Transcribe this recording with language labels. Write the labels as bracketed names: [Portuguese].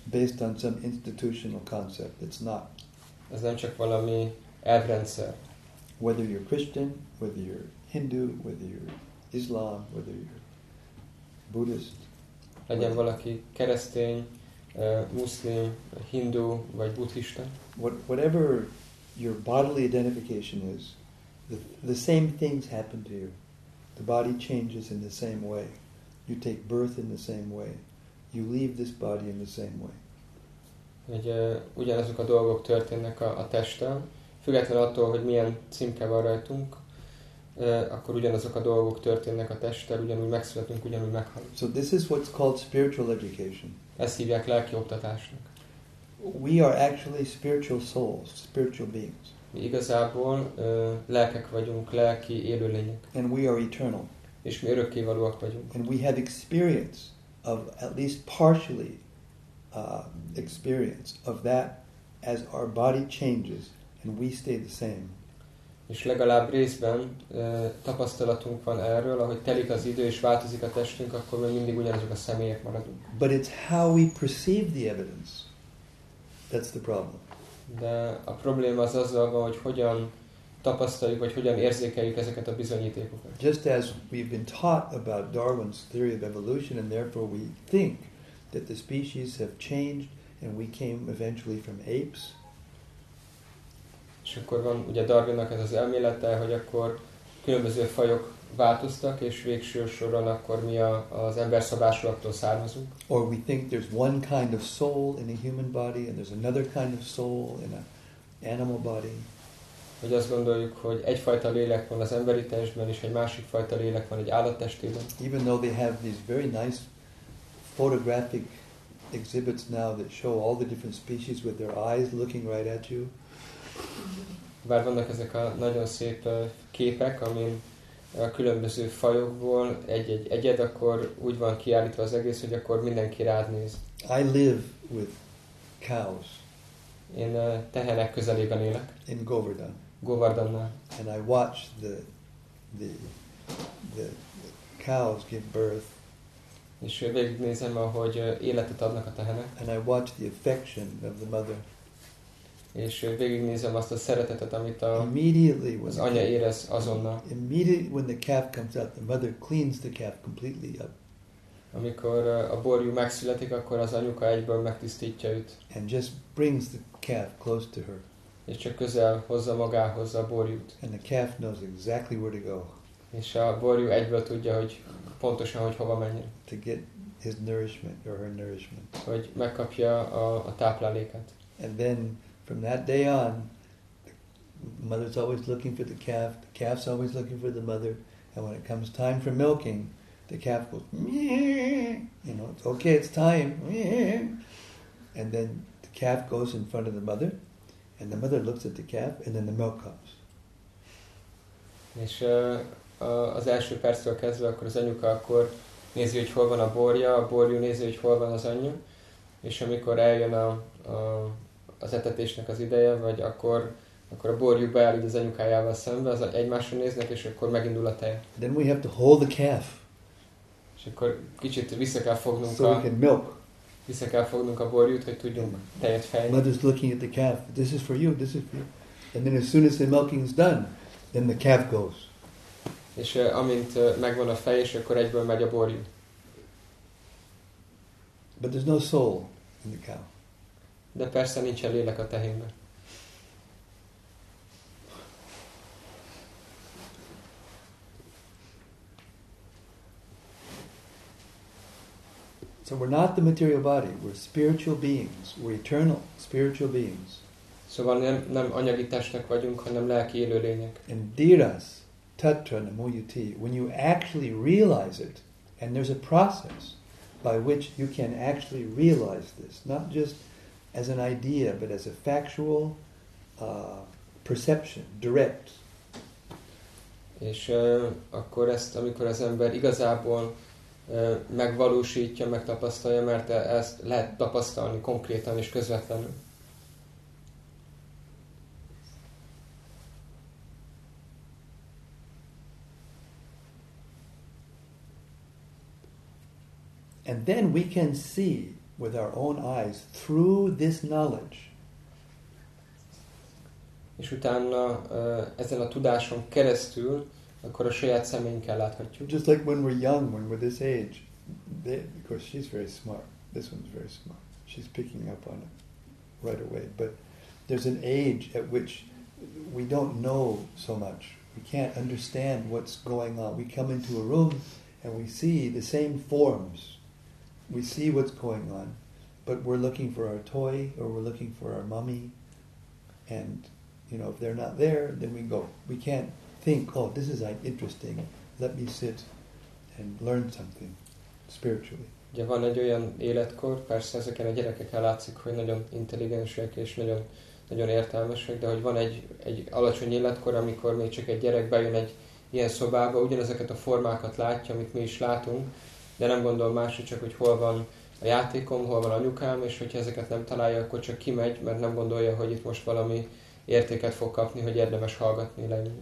[English] Based on some institutional concept, it's not. [Hungarian] Ez nem csak valami elvrendszer. [English] Whether you're Christian, whether you're Hindu, whether you're Islam, whether you're Buddhist. [Hungarian] Legyen valaki keresztény, muszlim, hindu vagy buddhista. [English] Whatever your bodily identification is, the same things happen to you. The body changes in the same way. You take birth in the same way. You leave this body in the same way. [Hungarian] Ugyanazok a dolgok történnek a testtel, függetlenül attól, hogy milyen címke van rajtunk, akkor ugyanazok a dolgok történnek a testtel, ugyanúgy megszületünk, ugyanúgy meghalunk. [English] So this is what's called spiritual education. [Hungarian] Ezt hívják lelki oktatásnak. [English] We are actually spiritual souls, spiritual beings. [Hungarian] Mi igazából lelkek vagyunk, lelki élőlények. [English] And we are eternal. [Hungarian] És mi örökkévalóak vagyunk. [English] And we have experience of at least partially experience of that as our body changes and we stay the same. [Hungarian] És legalább részben tapasztalatunk van erről, ahogy telik az idő és változik a testünk, akkor mi mindig ugyanazok a személyek maradunk. [English] But it's how we perceive the evidence that's the problem. [Hungarian] De a probléma az azzal van, hogy hogyan tapasztaljuk, vagy hogyan érzékeljük ezeket a bizonyítékokat. [English] Just as we've been taught about Darwin's theory of evolution, and therefore we think that the species have changed, and we came eventually from apes. [Hungarian] És akkor van ugye Darwinnak ez az elmélete, hogy akkor különböző fajok változtak, és végső soron akkor mi az emberszabásúaktól származunk. [English] Or we think there's one kind of soul in a human body, and there's another kind of soul in an animal body. [Hungarian] Hogy azt gondoljuk, hogy egyfajta lélek van az emberi testben, és egy másik fajta lélek van egy állattestében. [English] Even though they have these very nice photographic exhibits now that show all the different species with their eyes looking right at you. [Hungarian] Bár vannak ezek a nagyon szép képek, amin a különböző fajokból egy-egy egyed, akkor úgy van kiállítva az egész, hogy akkor mindenki rád néz. [English] I live with cows. [Hungarian] Én tehenek közelében élek. [English] In Govardhan. [Hungarian] Govardhannál. [English] And I watch the cows give birth. [Hungarian] És végignézem, ahogy életet adnak a tehenek. [English] And I watch the affection of the mother. [Hungarian] És végignézem azt a szeretetet, amit az anya érez azonnal. [English] Immediately when the calf comes out, the mother cleans the calf completely up. [Hungarian] Amikor a borjú megszületik, akkor az anyuka egyből megtisztítja őt. [English] And just brings the calf close to her. [Hungarian] És csak közel hozza magához a borjút. [English] And the calf knows exactly where to go. [Hungarian] És a borjú egyből tudja, hogy pontosan, hogy hova menjen. [English] To get his nourishment or her nourishment. [Hungarian] Hogy megkapja a tápláléket. [English] And then from that day on, the mother's always looking for the calf. The calf's always looking for the mother. And when it comes time for milking, the calf goes, meh. You know, it's okay, it's time. Meh. And then the calf goes in front of the mother, and the mother looks at the calf, and then the milk comes. [Hungarian] És az első perctől kezdve, akkor az anyuka akkor nézi, hogy hol van a borjú nézi, hogy hol van az anyja, és amikor eljön az etetésnek az ideje, vagy akkor a borjú beállít az anyukájával szembe, az egymásra néznek, és akkor megindul a teje. [English] Then we have to hold the calf. [Hungarian] És akkor kicsit vissza kell fognunk so a... [English] So we can milk. [Hungarian] Vissza kell fognunk a borjút, hogy tudjunk tejet fejni. [English] Mother's looking at the calf. This is for you, this is for you. And then as soon as the milking is done, then the calf goes. [Hungarian] És amint megvan a fej, és akkor egyből megy a borjú. [English] But there's no soul in the cow. [Hungarian] De persze nincsen lélek a tehénben. [English] So we're not the material body, we're spiritual beings, we're eternal spiritual beings. [Hungarian] Szóval nem anyagi testnek vagyunk, hanem lelki élőlények. [English] And [Sanskrit] dhiras, tatra, namuyuti, [English] when you actually realize it, and there's a process by which you can actually realize this, not just as an idea, but as a factual perception, direct. [Hungarian] És akkor ezt, amikor az ember igazából megvalósítja, megtapasztalja, mert ezt lehet tapasztalni konkrétan és közvetlenül. [English] And then we can see with our own eyes through this knowledge. [Hungarian] És utána ezen a tudáson keresztül akkor a saját szemünkkel láthatjuk. [English] Just like when we're young, when we're this age, of course she's very smart. This one's very smart. She's picking up on it right away. But there's an age at which we don't know so much. We can't understand what's going on. We come into a room and we see the same forms. We see what's going on, but we're looking for our toy or we're looking for our mummy. And you know, if they're not there, then we go. We can't think, oh, this is interesting, let me sit and learn something spiritually. [Hungarian] Ugye van egy olyan életkor, persze ezeken a gyerekekkel látszik, hogy nagyon intelligensek és nagyon, nagyon értelmesek, de hogy van egy alacsony életkor, amikor még csak egy gyerek bejön egy ilyen szobába, ugyanezeket a formákat látja, amit mi is látunk, de nem gondol másra csak, hogy hol van a játékom, hol van anyukám, és hogyha ezeket nem találja, akkor csak kimegy, mert nem gondolja, hogy itt most valami értéket fog kapni, hogy érdemes hallgatni lenni.